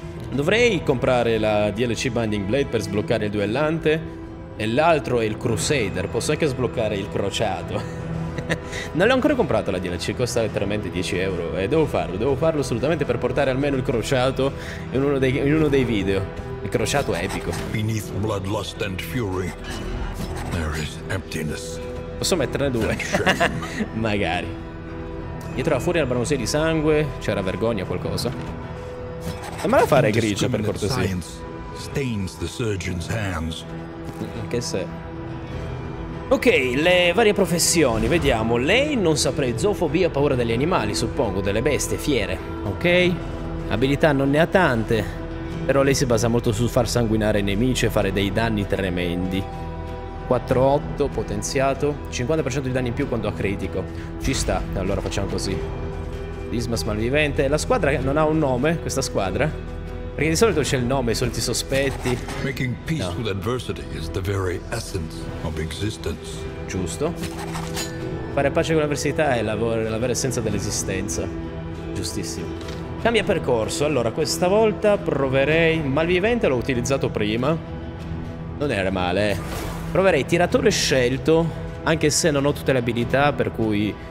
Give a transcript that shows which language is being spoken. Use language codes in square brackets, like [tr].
[it] Dovrei comprare la DLC Binding Blade per sbloccare il duellante, e l'altro è il Crusader, posso anche sbloccare il crociato. Non l'ho ancora comprato la DLC, costa letteralmente 10€ e devo farlo assolutamente per portare almeno il crociato in uno dei video. Il crociato è epico. [en] Beneath bloodlust and fury there is emptiness. [it] Posso metterne due? Magari. Dietro la furia del bramosia di sangue c'era vergogna, qualcosa. Ma la fare grigia, per cortesia. [en] Stains the surgeon's hands. [it] Che se. Ok, le varie professioni, vediamo. Lei, non saprei, zoofobia, paura degli animali, suppongo, delle bestie, fiere. Ok? Abilità non ne ha tante. Però lei si basa molto su far sanguinare i nemici e fare dei danni tremendi. 4-8 potenziato, 50% di danni in più quando ha critico. Ci sta, allora facciamo così. Dismas malvivente. La squadra non ha un nome, questa squadra? Perché di solito c'è il nome, i soliti sospetti. [en] Making peace with adversity is the very essence of existence. [it] Giusto. Fare pace con l'avversità è la vera essenza dell'esistenza. Giustissimo. Cambia percorso. Allora, questa volta proverei. Malvivente l'ho utilizzato prima. Non era male. Proverei tiratore scelto. Anche se non ho tutte le abilità, per cui.